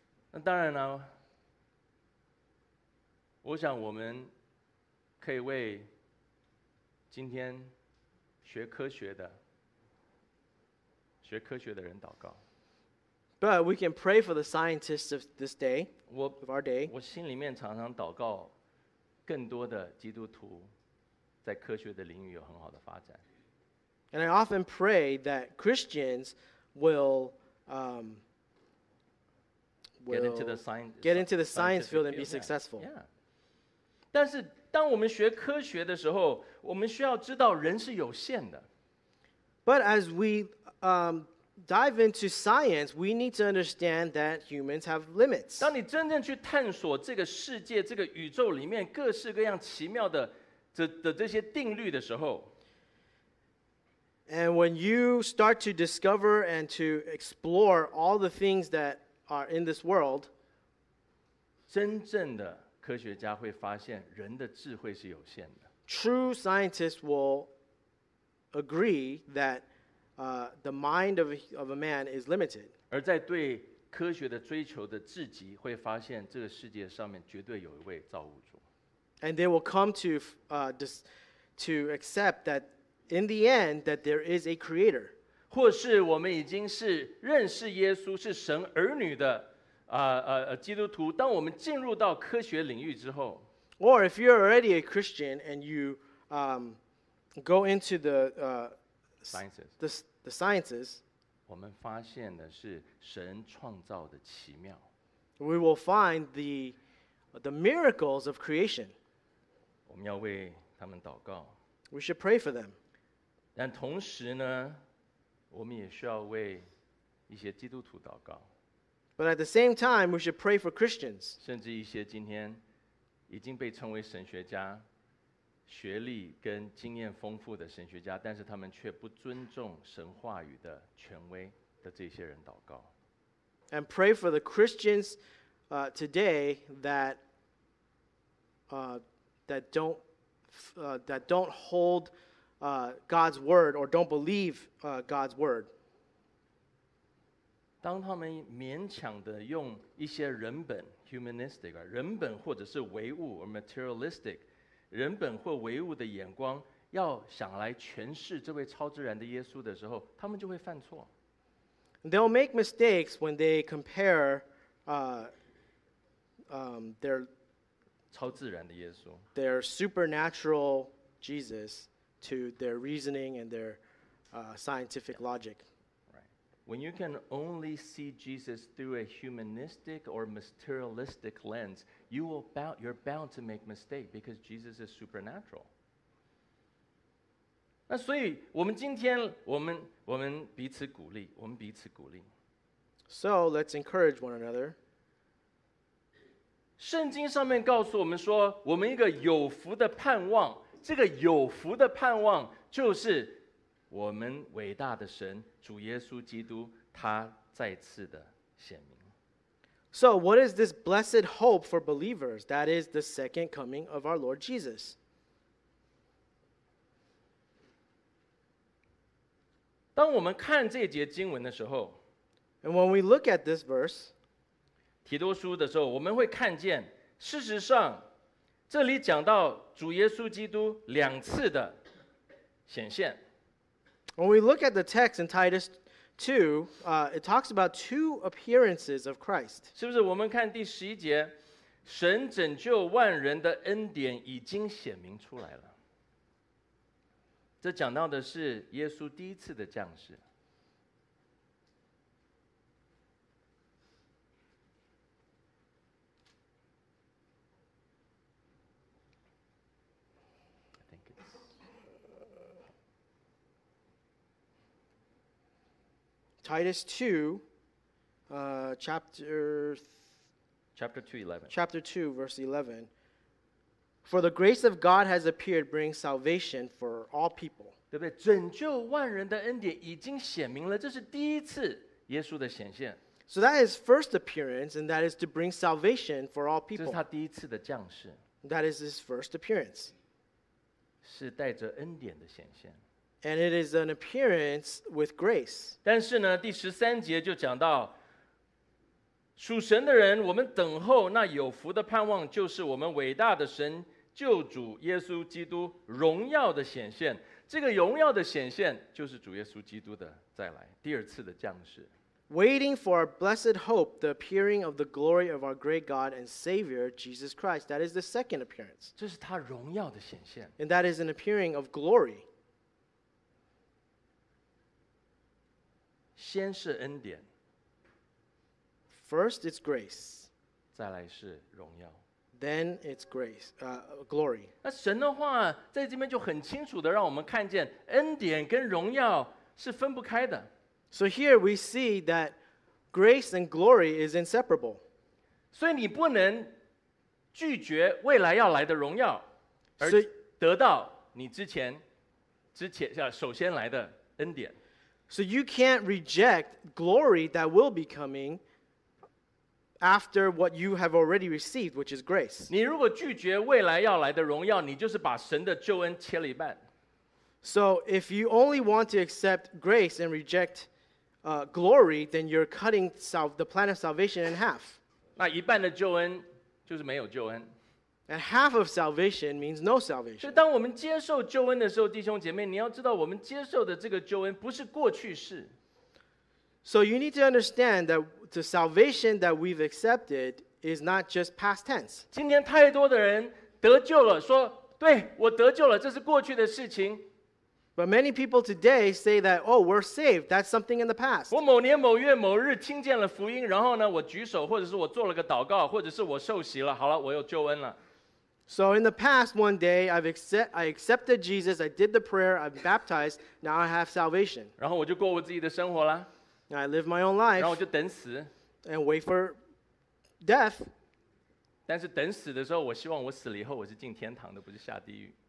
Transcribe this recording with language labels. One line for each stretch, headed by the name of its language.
Chinese: 那当然了，我想我们可以为今天学科学的人祷告。
English: But we can pray for the scientists of this day, of our day.
Chinese: 我心里面常常祷告，更多的基督徒在科学的领域有很好的发展。
English: And I often pray that Christians will get into the science field and be successful. Yeah.
Chinese: 但是当我们学科学的时候，我们需要知道人是有限的。
English: But as we dive into science, we need to understand that humans have limits.
Chinese: 当你真正去探索这个世界，这个宇宙里面各式各样奇妙的这些定律的时候，
English: And when you start to discover and to explore all the things thatare in this world,
Chinese: 真正的科学家会发现人的智慧是有限的。
English: True scientists will agree that the mind of a man is limited.
Chinese: 而在对科学的追求的至极，会发现这个世界上面绝对有一位造物主。
English: And they will come to accept that in the end that there is a creator.
Chinese: 或是我们已经是认识耶稣是神儿女的基督徒，当我们进入到科学领域之后，
English: or if you're already a Christian and you go into the sciences,
Chinese: 我们发现的是神创造的奇妙，
English: we will find the miracles of creation.
Chinese: 我们要为他们祷告，
English: we should pray for them.
Chinese: 但同时呢，我们也需要为一些基督徒祷告。
English: But at the same time, we should pray for Christians.
Chinese: 甚至一些今天已经被称为神学家，学历跟经验丰富的神学家，但是他们却不尊重神话语的权威的这些人祷告。
English: And pray for the Christians today that don't holdGod's word or don't believe God's word.
Chinese: 当他们勉强的用一些人本
English: humanistic
Chinese: 人本或者是唯物
English: or materialistic
Chinese: 人本或唯物的眼光要想来诠释这位超自然的耶稣的时候，他们就会犯错。
English: They'll make mistakes when they compare their
Chinese: 超自然的耶稣
English: their supernatural Jesusto their reasoning and their scientific logic. Right. When you can only see Jesus through a humanistic or materialistic lens, you're bound to make mistakes because Jesus is supernatural.
Chinese: 那所以我们今天我们彼此鼓励，我们彼此鼓励。
English: So let's encourage one another.
Chinese: 圣经上面告诉我们说，我们一个有福的盼望，这个有福的盼望就是我们伟大的神主耶稣基督他再次的显明。
English: So what is this blessed hope for believers? That is the second coming of our Lord Jesus.
Chinese: 当我们看这节经文的时候，
English: And when we look at this verse,
Chinese: 提多书的时候，我们会看见事实上这里讲到主耶稣基督两次的显现。
English: When we look at the text in Titus 2, it talks about two appearances of Christ.
Chinese: 是不是我们看第十一节，神拯救万人的恩典已经显明出来了。这讲到的是耶稣第一次的降世。
English: Titus 2, chapter 2, verse 11. For the grace of God has appeared, bringing salvation for all people.
Chinese: 对不对？拯救万人的恩典已经显明了，这是第一次耶稣的显现。
English: So that is first appearance, and that is to bring salvation for all people.
Chinese: 这是他第一次的降世。
English: That is his first appearance.
Chinese: 是带着恩典的显现。
English: And it is an appearance with grace.
Chinese: 但是呢，第十三节就讲到，属神的人，我们等候那有福的盼望，就是我们伟大的神救主耶稣基督荣耀的显现。这个荣耀的显现就是主耶稣基督的再来，第二次的降世。
English: Waiting for our blessed hope, the appearing of the glory of our great God and Savior, Jesus Christ. That is the second appearance.
Chinese: 这是他荣耀的显现。
English: And that is an appearing of glory.
Chinese: 先是恩典。
English: First, it's grace.
Chinese: 再来是荣耀。
English: Then it's grace, glory.
Chinese: 那神的话在这边就很清楚的让我们看见恩典跟荣耀是分不开的。
English: So here we see that grace and glory is inseparable.
Chinese: 所以你不能拒绝未来要来的荣耀，而得到你之前首先来的恩典。
English: So you can't reject glory that will be coming after what you have already received, which is grace.
Chinese: 你如果拒绝未来要来的荣耀，你就是把神的救恩切了一半。
English: So if you only want to accept grace and reject glory, then you're cutting the plan of salvation in half.
Chinese: 那一半的救恩就是没有救恩。
English: And half of salvation means no salvation.
Chinese: 所以当我们接受救恩的时候，弟兄姐妹，你要知道我们接受的这个救恩不是过去式。
English: So you need to understand that the salvation that we've accepted is not just past tense.
Chinese: 今天太多的人得救了，说对，我得救了，这是过去的事情。
English: But many people today say that, oh, we're saved. That's something in the past.
Chinese: 我某年某月某日听见了福音，然后呢，我举手，或者是我做了个祷告，或者是我受洗了，好了，我有救恩了。
English: So in the past, one day, I accepted Jesus. I did the prayer. I'm baptized. Now I have salvation.
Chinese: 然后我就过我自己的生活了。
English: I live my own life.
Chinese: 然后我就等死。
English: And wait for death.
Chinese: 但是等死的时候，我希望我死了以后，我是进天堂的，不是下地狱。